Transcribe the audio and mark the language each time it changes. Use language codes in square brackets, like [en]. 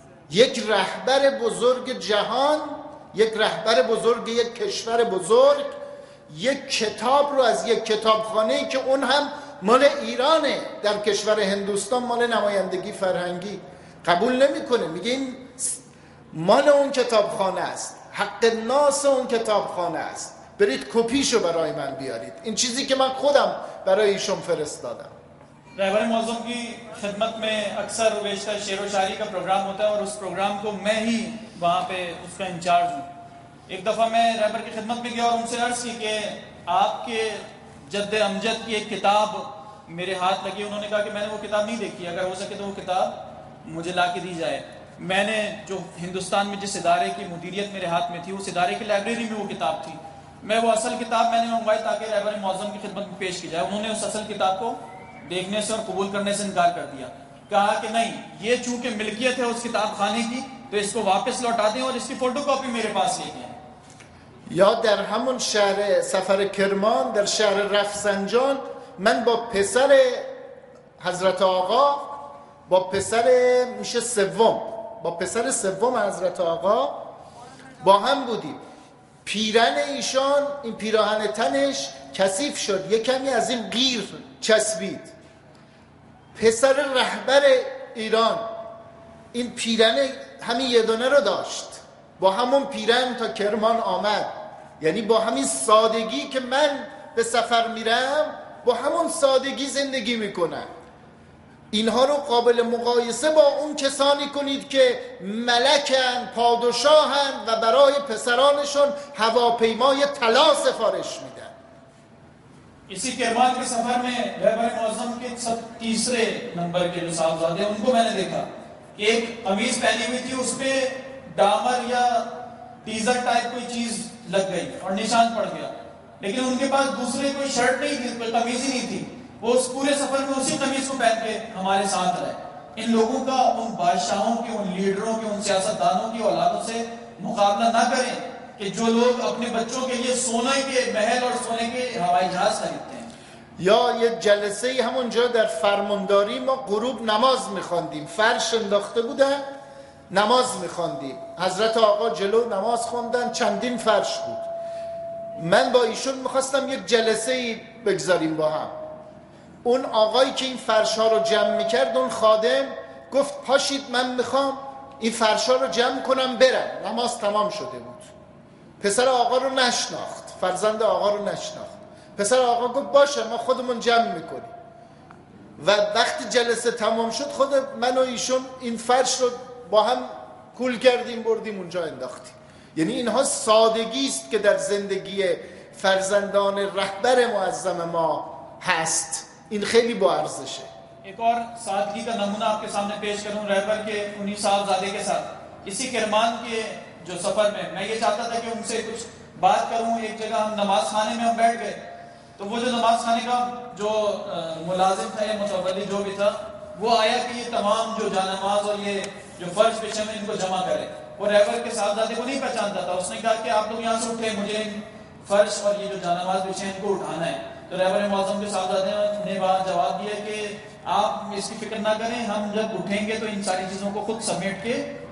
[fa] یک رهبر بزرگ جهان، یک رهبر بزرگ یک کشور بزرگ، یک کتاب رو از یک کتابخانه که اون هم مال ایرانه، در کشور هندوستان، مال نمایندگی فرهنگی، قبول نمیکنه. میگه این مال اون کتابخانه است، حق ناس اون کتابخانه است، برید کپیشو برای من بیارید. این چیزی که من خودم برای ایشون فرستادم. [ur] رهبر معظم کی خدمت میں اکثر و بیشتر شعر و شاعری کا پروگرام ہوتا ہے اور اس پروگرام کو میں ہی وہاں پہ اس کا انچارج ہوں. ایک دفعہ میں رہبر کی خدمت میں گیا اور ان سے عرض کی کہ آپ کے جد امجد کی ایک کتاب میرے ہاتھ لگی. انہوں نے کہا کہ میں نے وہ کتاب نہیں دیکھی، اگر ہو سکے تو وہ کتاب مجھے لا کے دی جائے. میں نے جو ہندوستان میں جس ادارے کی مدیریت میرے ہاتھ میں تھی، اس ادارے کی لائبریری میں وہ کتاب تھی، میں وہ اصل کتاب میں نے منگوائی تاکہ رہبر معظم کی خدمت میں پیش کی جائے. انہوں نے اس اصل کتاب کو دیکھنے سے اور قبول کرنے سے انکار کر دیا، کہا کہ نہیں، یہ چونکہ ملکیت ہے اس کتاب خانے کی، تو اس کو واپس لوٹا دیں اور اس کی فوٹو کاپی میرے پاس لے لیں. [fa] یا در همون شهر سفر کرمان، در شهر رفسنجان، من با پسر حضرت آقا، با پسر میشه سوم، با پسر سوم حضرت آقا با هم بودیم. پیرن ایشان، این پیراهن تنش کثیف شد، یکمی از این غیر چسبید. پسر رهبر ایران این پیرن همین یه دونه رو داشت، با همون پیرن تا کرمان آمد. یعنی با همین سادگی که من به سفر میرم، با همون سادگی زندگی میکنن. اینها رو قابل مقایسه با اون کسانی کنید که ملکن، پادشاهن و برای پسرانشون هواپیمای طلا سفارش میدن. [ur] اسی کرمان کے سفر میں رہبر معظم کے تیسرے نمبر کے جو صاحبزادے ان کو میں نے دیکھا کہ ایک قمیض پہنی ہوئی تھی، اس پہ ڈامر یا ٹیزر ٹائپ کوئی چیز لگ گئی اور نشان پڑ گیا، لیکن ان کے پاس دوسرے کوئی شرٹ نہیں تھی، کوئی قمیض ہی نہیں تھی، وہ اس پورے سفر میں اسی قمیض کو پہن کے ہمارے ساتھ رہے. ان لوگوں کا ان بادشاہوں کے، ان لیڈروں کے، ان سیاستدانوں کی اولادوں سے مقابلہ نہ کریں کہ جو لوگ اپنے بچوں کے لیے سونے کے محل اور سونے کے ہوائی جہاز خریدتے ہیں. یا یہ جلسے ہی ہم [fa] اونجا در فرمانداری، ما غروب نماز میخواندیم، فرش انداخته بودن، نماز میخواندیم، حضرت آقا جلو نماز خوندن، چندین فرش بود. من با ایشون میخواستم یک جلسه ای بگذاریم با هم. اون آقایی که این فرش ها رو جمع میکرد، اون خادم، گفت پاشید من میخوام این فرش ها رو جمع کنم برم. نماز تمام شده بود، پسر آقا رو نشناخت، فرزند آقا رو نشناخت. پسر آقا گفت باشه، ما خودمون جمع میکنیم. و وقتی جلسه تمام شد، خود من و ایشون این فرش رو با هم کول کردیم، بردیم اونجا انداختیم. یعنی اینها سادگی است که در زندگی فرزندان رهبر معظم ما هست، این خیلی با ارزشه. [ur] ایک اور سادگی کا نمونہ آپ کے سامنے پیش کروں رہبر کے انہی صاحبزادے کے ساتھ. اسی کرمان کے جو سفر میں میں یہ چاہتا تھا کہ ان سے کچھ بات کروں ایک جگہ ہم نماز خانے میں ہم بیٹھ گئے تو وہ جو نماز خانے کا جو ملازم تھا یا متولی جو بھی تھا وہ آیا کہ یہ تمام جو جانماز اور یہ جو فرش پیشن ان کو جمع کرے وہ ریور کے صاحبزادے کو نہیں پہچانتا تھا اس نے کہا کہ آپ لوگ یہاں سے اٹھے مجھے فرش اور یہ جو جانماز پیشن ان کو اٹھانا ہے تو ریور معظم کے صاحبزادے نے جواب دیا کہ آپ اس کی فکر نہ کریں ہم جب اٹھیں گے تو ان ساری چیزوں کو خود سمیٹ کے